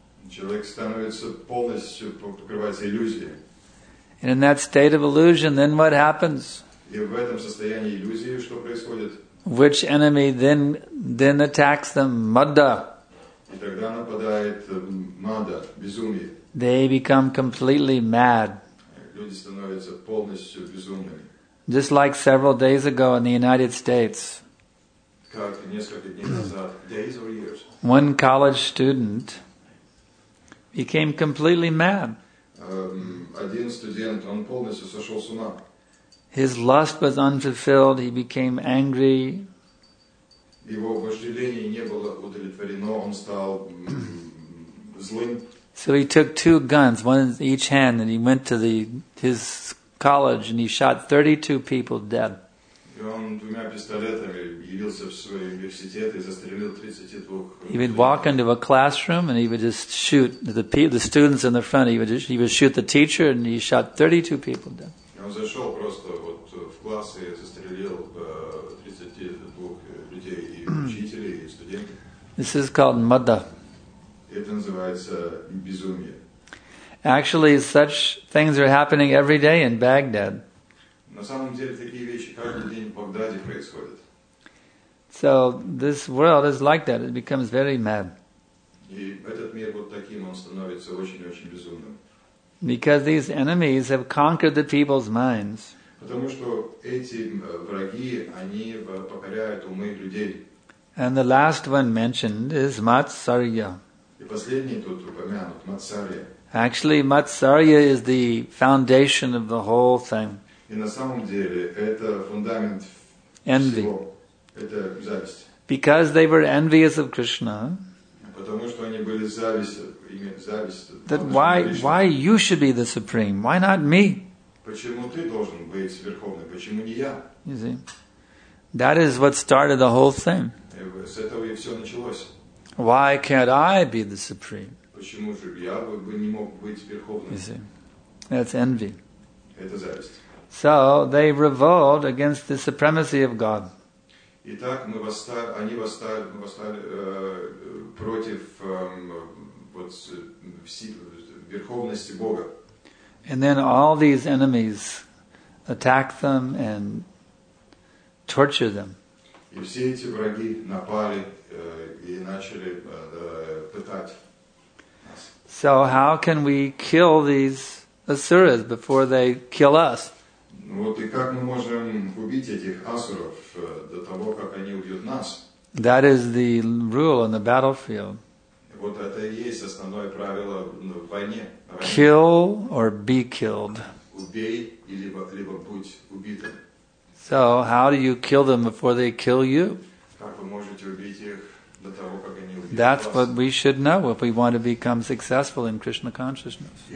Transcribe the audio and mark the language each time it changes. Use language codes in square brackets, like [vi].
[ru] Человек становится полностью покрывается иллюзией. [en] And in that state of illusion, then what happens? [ru] И в этом состоянии иллюзии, что происходит? [en] Which enemy then attacks them? Мадда. [ru] И тогда нападает мадда, безумие. [en] They become completely mad. [ru] Люди становятся полностью безумными. [en] Just like several days ago in the United States. [ru] Как несколько дней назад, [en] days or years. One college student became completely mad. [ru] Один студент, он полностью сошел с ума. [en] His lust was unfulfilled, he became angry. [ru] Его вожделение не было удовлетворено, он стал злым. [en] So he took two guns, one in each hand, and he went to his college and he shot 32 people dead. [ru] И он двумя пистолетами явился в свой университет и застрелил 32. [en] He would walk into a classroom and he would just shoot the students in the front. He would shoot the teacher and he shot 32 people dead. [ru] Он зашел просто в класс и застрелил 32 людей, и учителей, и студентов. [en] This is called madda. [ru] Это называется безумие. [en] Actually, such things are happening every day in Baghdad. [ru] На самом деле такие вещи каждый день в Багдаде происходят. [en] So this world is like that, it becomes very mad. [ru] И этот мир вот таким, он становится очень-очень безумным. [en] Because these enemies have conquered the people's minds. [ru] Потому что эти враги, они покоряют умы людей. [en] And the last one mentioned is Матсарья. [ru] И последний тут упомянут, Матсарья. [en] Actually, Матсарья is the foundation of the whole thing. [ru] И на самом деле это фундамент [en] envy. [ru] Всего. Это зависть. [en] Because they were envious of Krishna. [ru] Потому что они были зависть. [en] That why you should be the supreme? Why not me? [ru] Почему ты должен быть верховным? Почему не я? [en] You see? That is what started the whole thing. [ru] С этого и все началось. [en] Why can't I be the supreme? [ru] Почему же я бы не мог быть верховным? [en] You see? That's envy. [ru] Это зависть. [en] So they revolt against the supremacy of God. [ru] Итак, верховности Бога. [en] And then all these enemies attack them and torture them. [ru] И все эти враги напали и начали пытать нас. [en] So how can we kill these asuras before they kill us? [ru] Вот и как мы можем убить этих асуров до того, как они убьют нас? [en] That is the rule on the battlefield. [ru] Вот это и есть основное правило в войне. [en] Kill or be killed. [ru] Убей или либо будь убитым. [en] So how do you kill them before they kill you? [ru] Как вы можете убить их [en] That's what we should know if we want to become successful in Krishna consciousness.